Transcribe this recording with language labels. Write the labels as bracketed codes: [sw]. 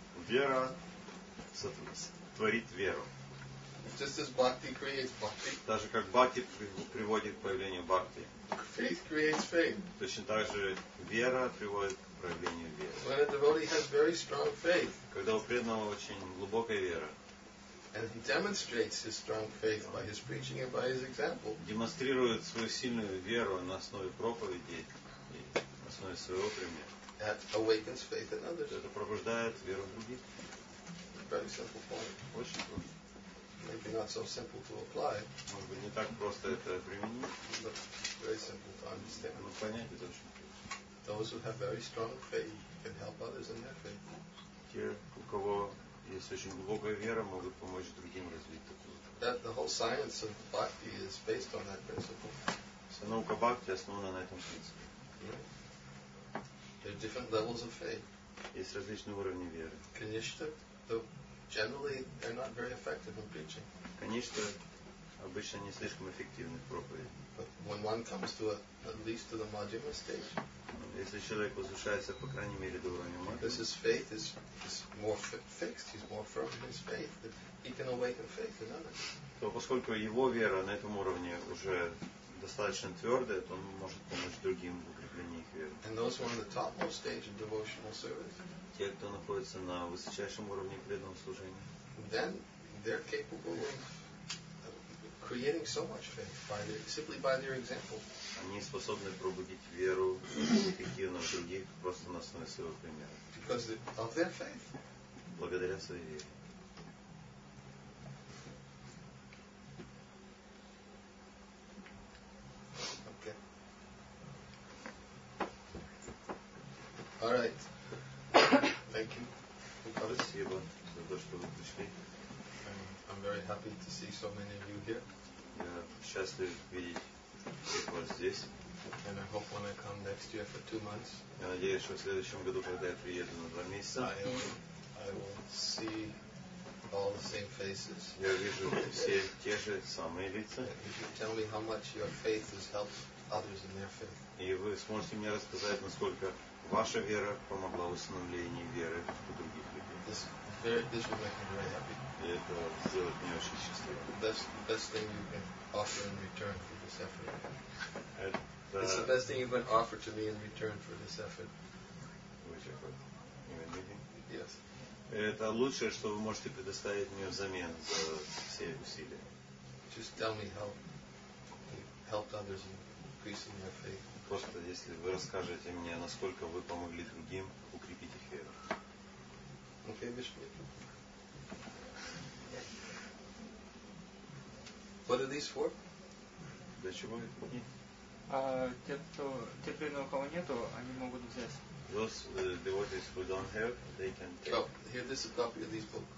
[ru] Вера творит веру. [en] Just as bhakti creates bhakti. [ru] Даже как бхакти приводит к появлению бхакти. [en] Faith creates faith. [ru] Точно так же вера приводит к проявлению веры. [en] When a devotee has very strong faith. [ru] Когда у преданного очень глубокая вера. [en] And he demonstrates his strong faith by his preaching and by his example. [ru] Демонстрирует свою сильную веру на основе проповеди и на основе своего примера. [en] That awakens faith in others. [ru] Это пробуждает веру в других. [en] Very simple point. [ru] Очень просто. [en] Maybe not so simple to apply. [ru] Может быть не так просто это применить. [en] But very simple to understand. [ru] Но понять это очень просто. [en] Those who have very strong faith can help others in their faith. [ru] Те, у кого есть очень глубокая вера, могут помочь другим развить такую. [en] That the whole science of bhakti is based on that principle. [ru] Вся наука бхакти основана на этом принципе. [en] There are different levels of faith. [ru] Есть различные уровни веры. [en] Kanishta, though generally they're not very effective in preaching. [ru] Kanishta обычно не слишком эффективны в проповеди. [en] But when one comes to at least to the Madhyama stage. [ru] Если человек возвышается по крайней мере до уровня Мадхи. [en] His faith is more fixed. He's more firm in his faith. That he can awaken faith in others. [ru] То поскольку его вера на этом уровне уже достаточно твердая, то он может помочь другим в укреплении их веры. [en] And those who are on the topmost stage of devotional service. [ru] Те, кто находится на высочайшем уровне преданного служения. [en] Then they're capable of creating so much faith simply by their example. [ru] Они способны пробудить веру эффективно в других просто на основе своего примера. [en] Because of their faith. [ru] Благодаря своей вере. [en] Okay. All right. Thank you. [ru] Спасибо за то, что вы пришли. [en] I'm very happy to see so many of you here. [ru] Я счастлив видеть всех вас здесь. [en] And I hope when I come next year for 2 months. [ru] Я надеюсь, что в следующем году, когда я приеду на 2 месяца, [en] I will see all the same faces. [ru] Я вижу все те же самые лица. [en] Tell me how much your faith has helped others in their faith. [ru] И вы сможете мне рассказать, насколько ваша вера помогла в установлении веры у других людей. [en] This will make me very happy. [ru] И это сделает меня очень счастливым. [en] Best thing you can offer in return for this effort. It's the best thing you can offer to me in return for this effort. Which effort? Yes. [ru] Это лучшее, что вы можете предоставить мне взамен за все усилия. [en] Just tell me how you helped others in increasing their faith. [ru] Просто если вы расскажете мне, насколько вы помогли другим укрепить их веру. [en] Okay, Bishop. What are these for? [ru] Для чего? Те, кто тепленного кого нету, они могут взять. [en] Those devotees who don't have, they can take. Oh, here, this is a copy of these books.